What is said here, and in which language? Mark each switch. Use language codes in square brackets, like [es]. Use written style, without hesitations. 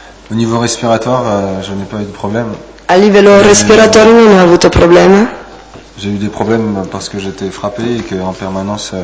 [fr] Au niveau respiratoire, je n'ai pas eu de problème. [it] A livello respiratorio non ho avuto problemi. [fr] J'ai eu des problèmes parce que j'étais frappé et que en permanence